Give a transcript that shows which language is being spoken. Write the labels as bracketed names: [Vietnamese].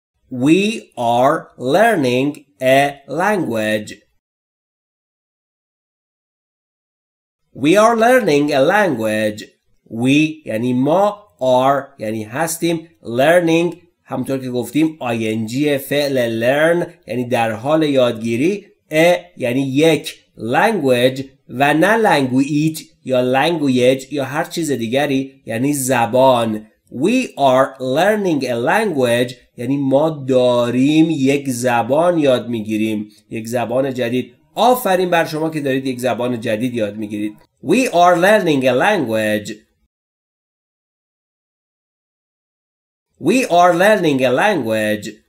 [English] We are learning a language. We are learning a language. [Persian] We یعنی ما. Are یعنی هستیم. Learning همونطور که گفتیم ing فعل learn یعنی در حال یادگیری. A یعنی یک. Language و نه language یا language یا هر چیز دیگری، یعنی زبان. [English] We are learning a language [Persian] یعنی ما داریم یک زبان یاد میگیریم، یک زبان جدید. آفرین بر شما که دارید یک زبان جدید یاد میگیرید. [English] We are learning a language. We are learning a language.